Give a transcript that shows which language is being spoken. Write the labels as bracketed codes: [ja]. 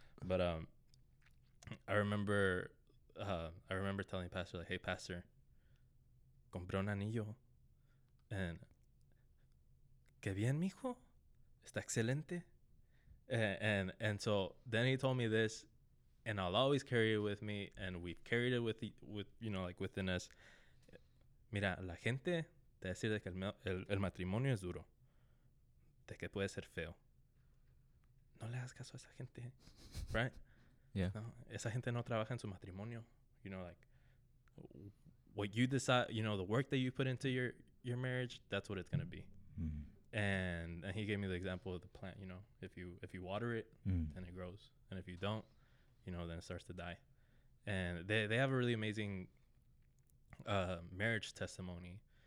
[en] But I remember telling Pastor, like, hey, Pastor, [es] compré un anillo. And que bien, mijo, está excelente. [en] And so then he told me this, and I'll always carry it with me, and we've carried it with you know, like, within us. [es] Mira, la gente te dice que el matrimonio es duro, de que puede ser feo. No le hagas caso a esa gente, right? [en] Yeah. [es] No, esa gente no trabaja en su matrimonio. [en] You know, like, what you decide, you know, the work that you put into your marriage, that's what it's going to be. And he gave me the example of the plant, you know, if you water it, then it grows. And if you don't, you know, then it starts to die. And they have a really amazing marriage testimony.